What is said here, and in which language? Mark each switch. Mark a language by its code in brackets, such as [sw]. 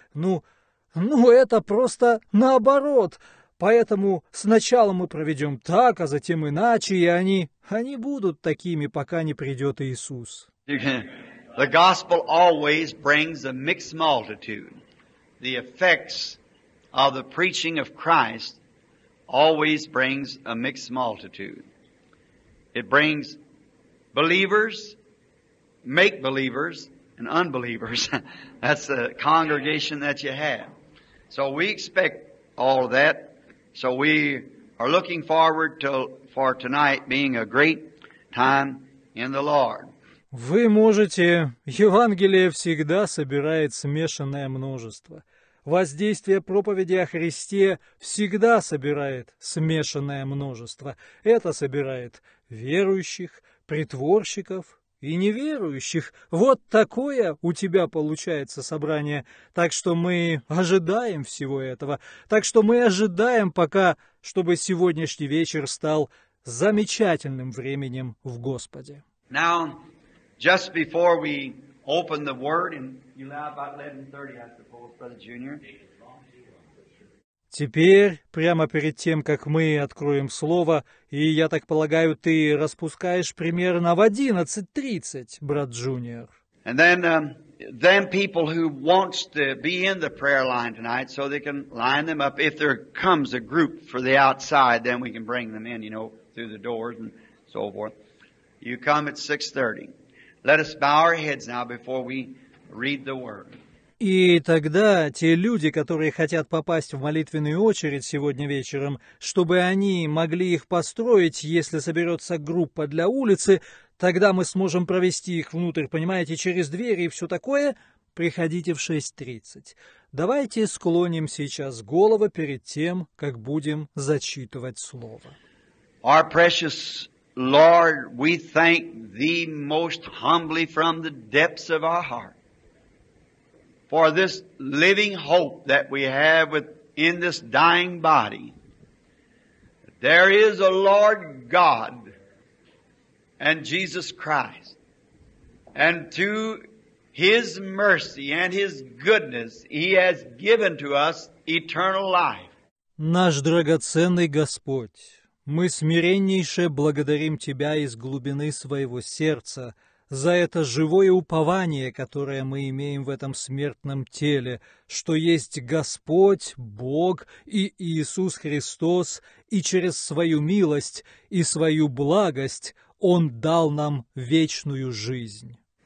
[ru] Ну, это просто наоборот. Поэтому сначала мы проведем так, а затем иначе, и они будут такими, пока не придет Иисус. [en] The gospel always brings a mixed multitude. The effects of the preaching of Christ always brings a mixed multitude. It brings believers, make believers, and unbelievers. That's the congregation that you have. So we expect all of that. So we are looking forward for tonight being a great time in the Lord. [ru] Вы можете... Евангелие всегда собирает смешанное множество. Воздействие проповеди о Христе всегда собирает смешанное множество. Это собирает верующих, притворщиков и неверующих. Вот такое у тебя получается собрание. Так что мы ожидаем всего этого. Так что мы ожидаем пока, чтобы сегодняшний вечер стал замечательным временем в Господе. [en] Now... Just before we open the Word, and you allow about 11:30, I suppose, Brother Junior. [ru] Теперь, прямо перед тем, как мы откроем Слово, и я так полагаю, ты распускаешь примерно в 11:30, брат Джуниор. [en] And then people who want to be in the prayer line tonight, so they can line them up. If there comes a group for the outside, then we can bring them in, you know, through the doors and so forth. You come at 6:30. Let us bow our heads now before we read the word. [ru] И тогда те люди, которые хотят попасть в молитвенную очередь сегодня вечером, чтобы они могли их построить, если соберется группа для улицы, тогда мы сможем провести их внутрь, понимаете, через двери и все такое, приходите в 6:30. Давайте склоним сейчас головы перед тем, как будем зачитывать слово. [en] Our precious Lord, we thank Thee most humbly from the depths of our heart for this living hope that we have within this dying body. There is a Lord God and Jesus Christ, and to His mercy and His goodness He has given to us eternal life. [ru] Наш драгоценный Господь, мы смиреннейше благодарим Тебя из глубины своего сердца за это живое упование, которое мы имеем в этом смертном теле, что есть Господь, Бог и Иисус Христос, и через Свою милость и Свою благость Он дал нам вечную жизнь.